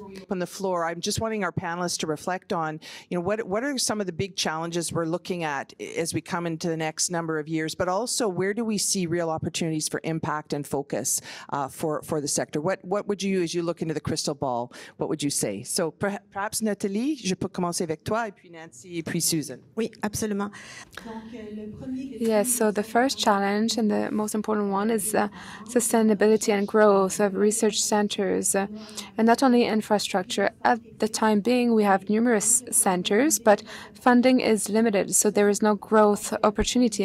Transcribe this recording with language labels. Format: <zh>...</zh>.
<en>On the floor, I'm just wanting our panelists to reflect on, you know, what are some of the big challenges we're looking at as we come into the next number of years, but also where do we see real opportunities for impact and focus for the sector? What would you, as you look into the crystal ball, what would you say? So perhaps Nathalie,</en> <fr>je peux commencer avec toi, et puis Nancy, et puis Susan. Oui, absolument.</fr> <en>Yes, so the first challenge and the most important one is sustainability and growth of research centers, and not only infrastructure. At the time being, we have numerous centers, but funding is limited, so there is no growth opportunity.</en>